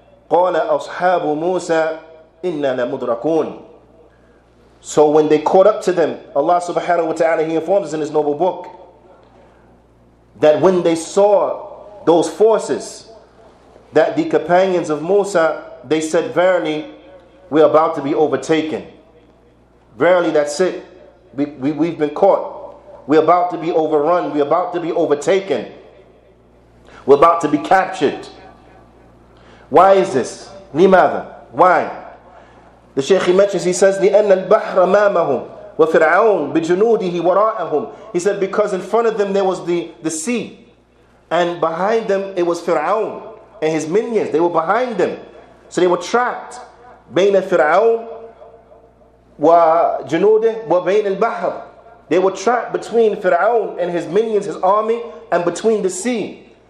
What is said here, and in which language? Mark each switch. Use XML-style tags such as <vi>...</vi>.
<ar>قَالَ أَصْحَابُ مُوسَى إِنَّا لَمُدْرَكُونَ.</ar> <en>So when they caught up to them, Allah subhanahu wa ta'ala, He informs us in His noble book, that when they saw those forces, that the companions of Musa, they said, verily, we're about to be overtaken. Verily, that's it. We've been caught. We're about to be overrun. We're about to be overtaken. We're about to be captured. Why is this?</en> <ar>لماذا?</ar> <en>Why? The Shaykh mentions, he says,</en> <ar>لِأَنَّ الْبَحْرَ مَامَهُمْ وَفِرْعَوْنَ بِجُنُودِهِ وَرَاءَهُمْ.</ar> <en>He said, because in front of them there was the sea. And behind them it was Fir'aun and his minions. They were behind them. So they were trapped.</en> <ar>بَيْنَ فِرْعَوْنَ وَجُنُودِهِ وَبَيْنَ الْبَحْرِ.</ar> <en>They were trapped between Fir'aun and his minions, his army, and between the sea.</en>